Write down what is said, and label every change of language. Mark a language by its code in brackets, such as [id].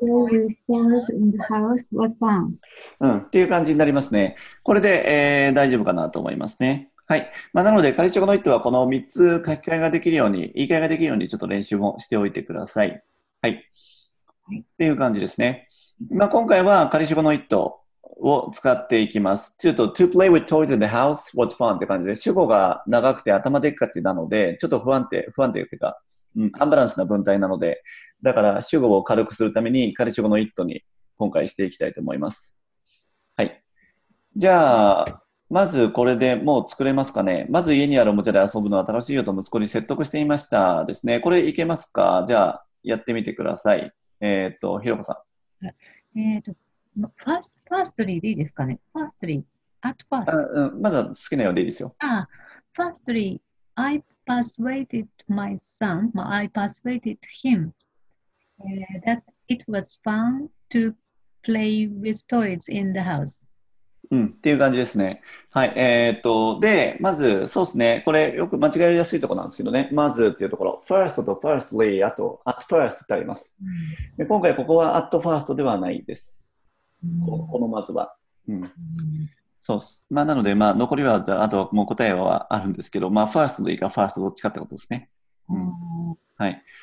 [en] To play with toys in the house was fun. [ja] うん、っていう感じになりますね。これで、大丈夫かなと思いますね。はい。まあ、なので、仮主語の it はこの3つ書き換えができるように、言い換えができるようにちょっと練習もしておいてください。はい。っていう感じですね。まあ、今回は仮主語の it を使っていきます。ちょっと、 [en] to play with toys in the house was fun [ja] って感じで、主語が長くて頭でっかちなので、ちょっと不安定っていうか、うん、アンバランスな文体なので、だから主語を軽くするために仮主語の it に今回していきたいと思います。はい。じゃあ、まずこれでもう作れますかね。まず家にあるおもちゃで遊ぶのは楽しいよと息子に説得していましたですね。これいけますか？じゃあ、やってみてください。ひろこさん。 [en] Firstly [ja] でいいですかね。 [en] Firstly, at first. [ja] まずは好きなようでいいですよ。 [en] Firstly, I persuaded him、that it was fun to play with toys in the house. [ja] っていう感じですね。はい。で、まず、そうですね。これ、よく間違いやすいところなんですけどね。まずっていうところ。first と firstly、あと、at first ってあります。で、今回、ここは at first ではないです。このまずは。そうっす。まあ、なので、まあ、残りは、あと、もう答えはあるんですけど、まあ、first でいいか、first どっちかってことですね。はい。